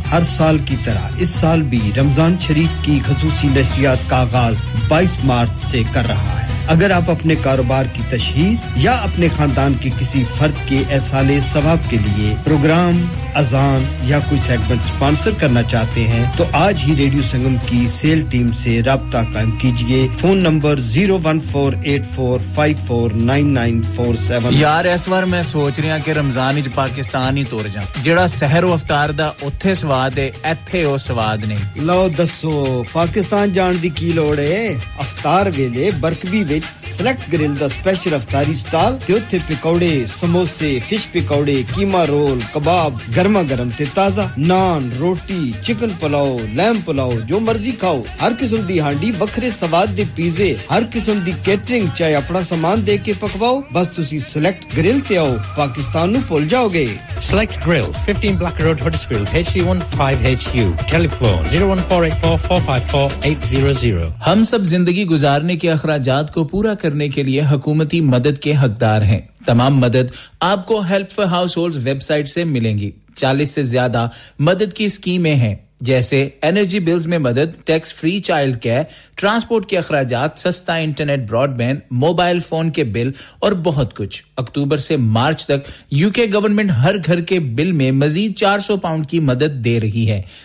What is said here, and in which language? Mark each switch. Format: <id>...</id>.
<ur>ہر سال کی طرح اس سال بھی رمضان شریف کی خصوصی نشریات کا آغاز 22 مارچ سے کر رہا ہے اگر آپ اپنے کاروبار کی تشہیر یا اپنے خاندان کے کسی فرد کے احصال ثواب کے لیے پروگرام اذان یا کوئی سیگمنٹ سپانسر کرنا چاہتے ہیں تو آج ہی ریڈیو سنگم کی سیل ٹیم سے رابطہ قائم کیجئے فون نمبر 01484549947 یار اس بار میں سوچ رہا ہوں کہ</ur> <pa>رمضان وچ پاکستان ہی تور جاؤں جڑا سحر و افطار دا اوتھے سواد ہے ایتھے او سواد نہیں لو دسو پاکستان جان دی کی لوڑ ہے افطار ویلے برکبی وچ سلیکٹ گرل دا سپیشل افطاری سٹال تے اوتھے پکوڑے سموسے فش پکوڑے کیما رول کباب گرما گرم تے تازہ نان روٹی چکن پلاؤ لیم پلاؤ جو مرضی کھاؤ ہر قسم دی ہانڈی بکھرے سواد دے پیزے ہر قسم دی کیٹرنگ چاہے اپنا سامان دے کے پکواؤ بس تسی سلیکٹ گرل تے آؤ پاکستان نو بھول جاؤ گے</pa> <ur>select girl 15 black road Huddersfield HD15HU ٹیلی فون 01484454800 ہم سب زندگی گزارنے کے اخراجات کو پورا کرنے کے لیے حکومتی مدد کے حقدار ہیں تمام مدد آپ کو help for house holds web site سے ملیں گی 40 سے زیادہ مدد کی اسکیمیں ہیں جیسے انرجی بلز میں مدد tax free child care transport کے اخراجات سستا internet Broad band mobile phone کے بل اور بہت کچھ اکتوبر سے مارچ تک یو کے گورنمنٹ ہر گھر کے بل میں مزید £400 کی مدد دے رہی ہے</ur>